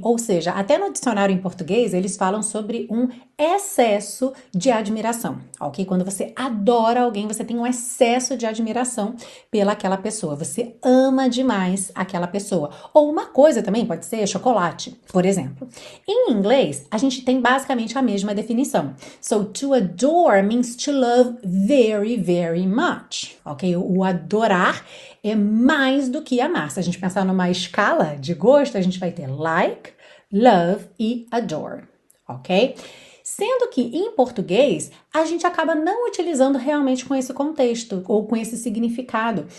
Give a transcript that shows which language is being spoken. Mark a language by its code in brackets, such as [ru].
[pt] Ou seja, até no dicionário em português, eles falam sobre um excesso de admiração, ok? Quando você adora alguém, você tem um excesso de admiração pelaquela pessoa. Você ama demais aquela pessoa. Ou uma coisa também, pode ser chocolate, por exemplo. Em inglês, a gente tem basicamente a mesma definição. [en] So, to adore means to love very, very much, ok? [pt] O adorar é mais do que amar. Se a gente pensar numa escala de gosto, a gente vai ter like, love e adore, ok? Sendo que em português, a gente acaba não utilizando realmente com esse contexto ou com esse significado.